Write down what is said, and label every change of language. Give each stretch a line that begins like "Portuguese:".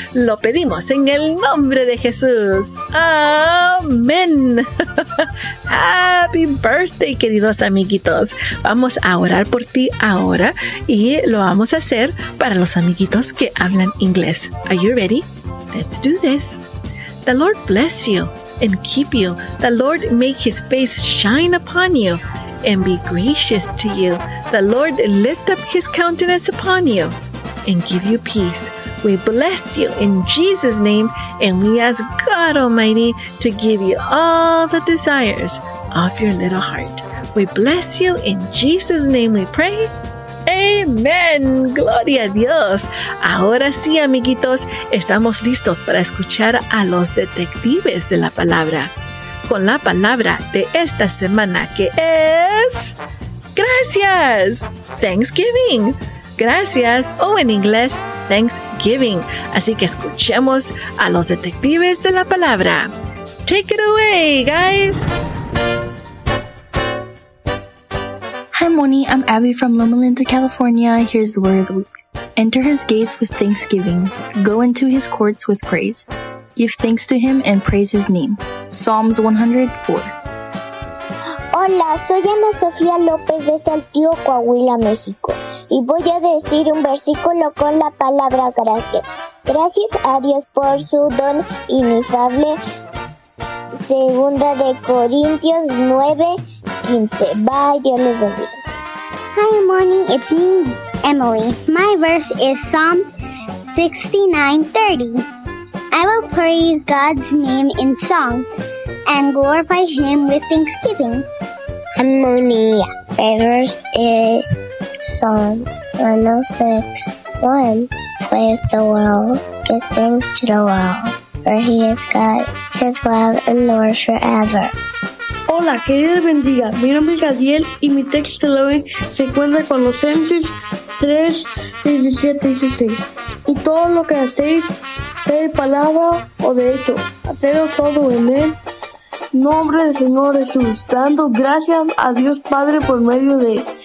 Spanish: Lo pedimos en el nombre de Jesús. Amén.
English: Happy birthday,
Spanish: queridos amiguitos. Vamos a orar por ti ahora y lo vamos a hacer para los amiguitos que hablan inglés.
English: Are you ready? Let's do this. The Lord bless you and keep you. The Lord make his face shine upon you and be gracious to you. The Lord lift up his countenance upon you and give you peace. We bless you in Jesus' name, and we ask God Almighty to give you all the desires of your little heart. We bless you in Jesus' name, we pray.
Spanish: Amen. Gloria a Dios. Ahora sí, amiguitos, estamos listos para escuchar a los detectives de la palabra. Con la palabra de esta semana, que es... ¡Gracias! Thanksgiving. Gracias, o en inglés, Thanksgiving. Así que escuchemos a los detectives de la palabra.
English: Take it away, guys. Hi, Moni. I'm Abby from Loma Linda, California. Here's the word of the week. Enter his gates with thanksgiving. Go into his courts with praise. Give thanks to him and praise his name. Psalms 104.
Spanish: Hola, soy Ana Sofía López de Saltillo, Coahuila, México. Y voy a decir un versículo con la palabra gracias. Gracias a Dios por su don inefable. Segunda de Corintios 9:15.
English: Bye,
Spanish: Dios les bendiga.
English: Hi, Moni, it's me, Emily. My verse is Psalms 69:30. I will praise God's name in song and glorify him with thanksgiving. I'm Moni. My verse is Psalm 106:1. Praise the world, give thanks to the world, for he is God, his love endures forever.
Spanish: Hola, que Dios bendiga. Mi nombre es Gadiel y mi texto de hoy se encuentra con Colosenses 3:17-16. Y todo lo que hacéis, sea de palabra o de hecho, hacedlo todo en él. Nombre del Señor Jesús, dando gracias a Dios Padre por medio de él.